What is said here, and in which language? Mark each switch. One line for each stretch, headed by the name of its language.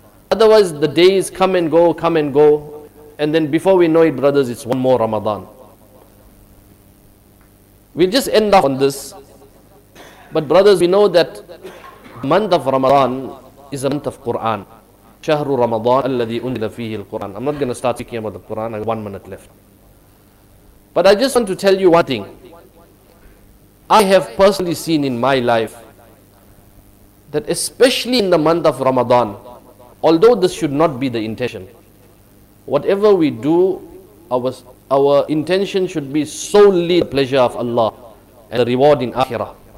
English: Otherwise, the days come and go, and then before we know it, brothers, it's one more Ramadan. We'll just end off on this. But brothers, we know that the month of Ramadan is a month of Quran.
Arabic: شهر رمضان الذي أنزل فيه القرآن.
English: I'm not going to start speaking about the Quran. I have 1 minute left. But I just want to tell you one thing. I have personally seen in my life that especially in the month of Ramadan, although this should not be the intention, whatever we do, our intention should be solely the pleasure of Allah and the reward in Akhirah.